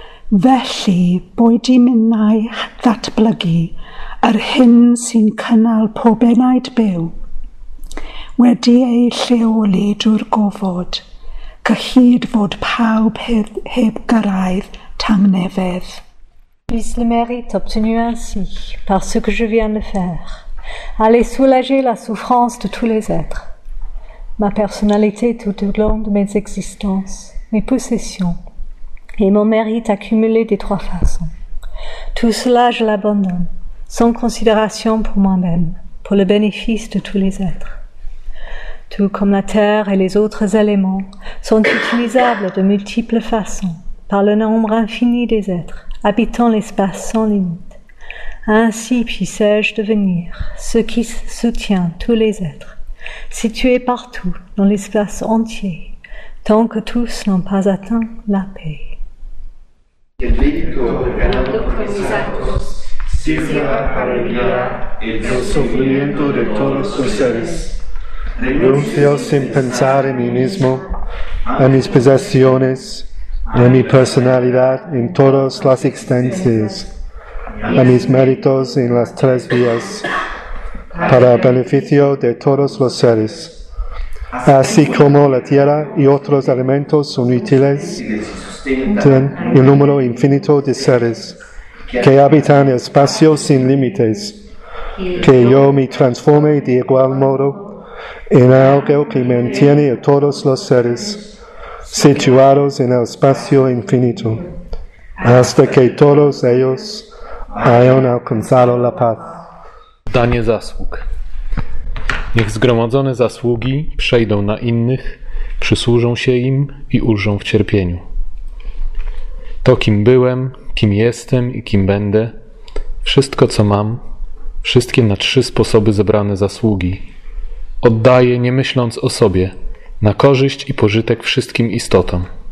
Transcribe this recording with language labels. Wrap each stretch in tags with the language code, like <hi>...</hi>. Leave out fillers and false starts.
<cy>felly bwyd i minnau ddatblygu yr hyn sy'n cynnal pob enaid byw, wedi ei lleoli drwy'r gofod, cyhyd fod pawb heb gyrraedd tangnefedd.</cy> <fr>Puisse le mérite obtenu ainsi, par ce que je viens de faire, aller soulager la souffrance de tous les êtres. Ma personnalité tout au long de mes existences, mes possessions, et mon mérite accumulé des trois façons. Tout cela, je l'abandonne, sans considération pour moi-même, pour le bénéfice de tous les êtres. Tout comme la terre et les autres éléments sont utilisables de multiples façons par le nombre infini des êtres habitant l'espace sans limite. Ainsi puissais-je devenir ce qui soutient tous les êtres, situés partout dans l'espace entier, tant que tous n'ont pas atteint la paix.</fr> <es>Et sirva para el bien y el sufrimiento de todos los seres. Renuncio sin pensar en mí mismo, en mis posesiones, en mi personalidad, en todas las existencias, en mis méritos en las tres vías, para el beneficio de todos los seres, así como la tierra y otros elementos inútiles, en un número infinito de seres que habitan espacios sin límites, que yo me transforme de igual modo en algo que mantiene a todos los seres situados en el espacio infinito, hasta que todos ellos hayan alcanzado la paz.</es> <pl>Danie zasług. Niech zgromadzone zasługi przejdą na innych, przysłużą się im i ulżą w cierpieniu. To, kim byłem, kim jestem i kim będę, wszystko, co mam, wszystkie na trzy sposoby zebrane zasługi, oddaję, nie myśląc o sobie, na korzyść i pożytek wszystkim istotom.</pl>